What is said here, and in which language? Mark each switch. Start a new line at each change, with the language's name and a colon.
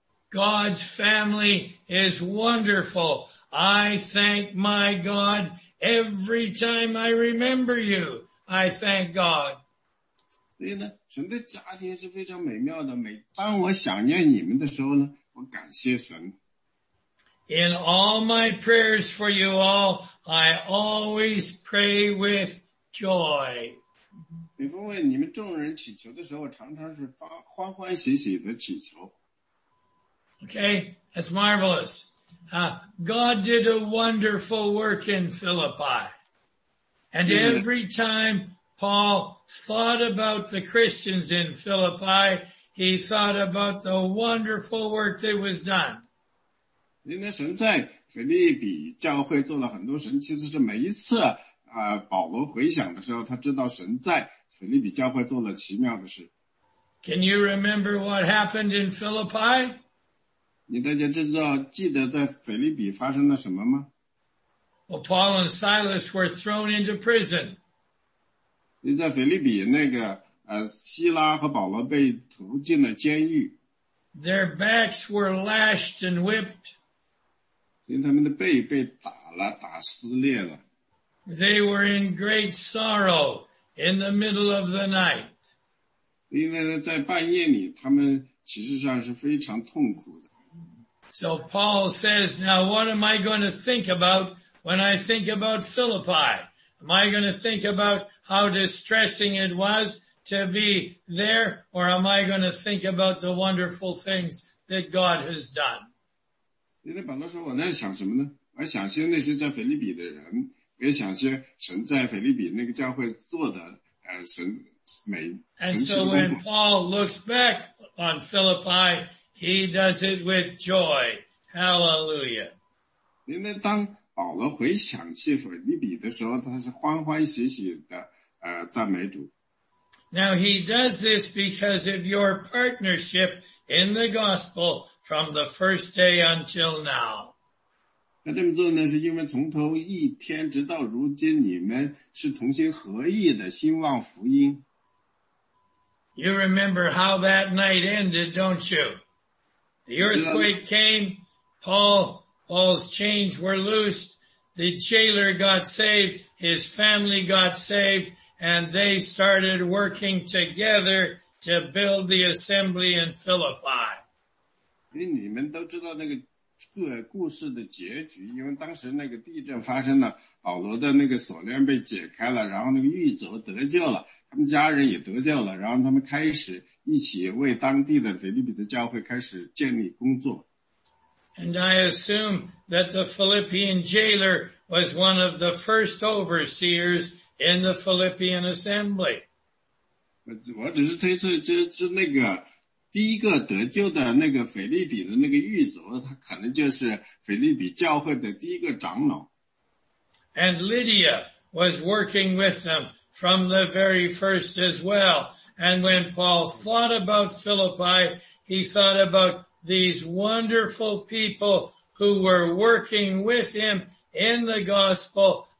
English: God's family is wonderful. I thank my God every time I remember you. I thank God.
Chinese: 所以呢神的家庭是非常美妙的每当我想念你们的时候呢我感谢神。
English: In all my prayers for you all, I always pray with joy.
Chinese: 每逢为你们众人祈求的时候我常常是欢欢喜喜的祈求。
English: Okay, that's marvelous. God did a wonderful work in Philippi. And every time Paul thought about the Christians in Philippi, he thought about the wonderful work that was done.
Chinese: 因为神在腓立比教会做了很多神迹，其实是每一次保罗回想的时候，他知道神在腓立比教会做了奇妙的事。
English: Can you remember what happened in Philippi?
Chinese: 你大家知道记得在腓立比发生了什么吗？
English: Well, Paul and Silas were thrown into prison.
Chinese: 你在腓立比那个希拉和保罗被投进了监狱。
English: Their backs were lashed and whipped.
Chinese: 因他们的背被打了，打撕裂了。
English: They were in great sorrow in the middle of the night.
Chinese: 因为在半夜里，他们其实上是非常痛苦的。
English: So Paul says, now what am I going to think about when I think about Philippi? Am I going to think about how distressing it was to be there, or am I going to think about the wonderful things that God has done?
Chinese: 因为保罗说我在想什么呢？我想些那些在腓立比的人，也想些神在腓立比那个教会做的神美。
English: And so when Paul looks back on Philippi, he does it with joy. Hallelujah.
Chinese: 因为当保罗回想起腓立比的时候，他是欢欢喜喜的赞美主。
English: Now he does this because of your partnership in the gospel from the first day until now.
Chinese: 那这么做呢，是因为从头一天直到如今，你们是同心合意的兴旺福音。
English: You remember how that night ended, don't you? The earthquake came, Paul's chains were loosed, the jailer got saved, his family got saved,And they started working together to build the assembly in Philippi.
Chinese: 因为你们都知道那个故事的结局，因为当时那个地震发生了，保罗的那个锁链被解开了，然后那个狱卒得救了，他们家人也得救了，然后他们开始一起为当地的腓立比的教会开始建立工作。
English: And I assume that the Philippian jailer was one of the first overseers. In the Philippian assembly.
Chinese: 我只是推测就是那个第一个得救的那个腓立比的那个狱卒他可能就是腓立比教会的第一个长老。
English: And Lydia was working with them from the very first as well. And when Paul thought about Philippi, he thought about these wonderful people who were working with him in the gospel.